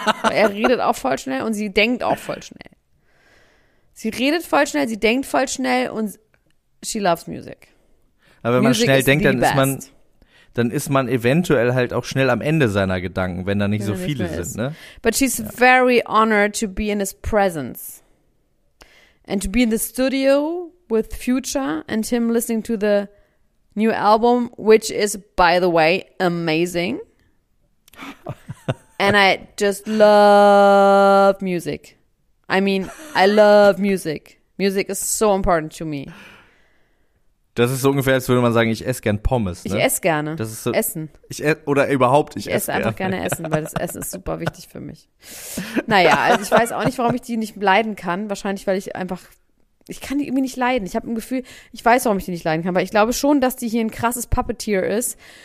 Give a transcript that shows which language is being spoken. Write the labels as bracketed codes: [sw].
[de] Er redet auch voll schnell und sie denkt auch voll schnell. Sie redet voll schnell, sie denkt voll schnell und [en] she loves music. [de] Aber wenn man music schnell denkt, dann ist man eventuell halt auch schnell am Ende seiner Gedanken, wenn da nicht wenn so nicht viele sind, ne? [en] But she's very honored to be in his presence. And to be in the studio with Future and him listening to the new album, which is, by the way, amazing. And I just love music. I mean, I love music. Music is so important to me. [de] Das ist so ungefähr, als würde man sagen, ich esse gern Pommes. Ne? Ich esse gerne. Das ist so, Essen. Ich esse einfach gerne Essen, weil das Essen ist super wichtig für mich. Naja, also ich weiß auch nicht, warum ich die nicht leiden kann. Wahrscheinlich, weil ich einfach, ich kann die irgendwie nicht leiden. Ich habe ein Gefühl, ich weiß, warum ich die nicht leiden kann. Weil ich glaube schon, dass die hier ein krasses Puppeteer ist.